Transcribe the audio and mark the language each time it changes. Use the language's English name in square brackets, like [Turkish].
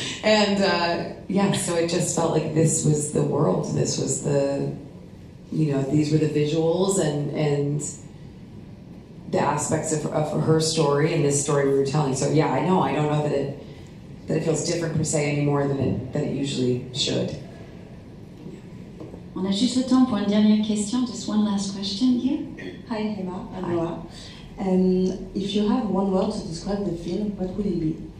[English] And so it just felt like this was the world. This was the, you know, these were the visuals and the aspects of her story and this story we were telling. So yeah, I know. I don't know that it feels different per se any more than it usually should. [French] On a juste le temps pour une dernière question, [English] just one last question here. Hi, Emma. Hi. Noah. If you have one word to describe the film, what would it be?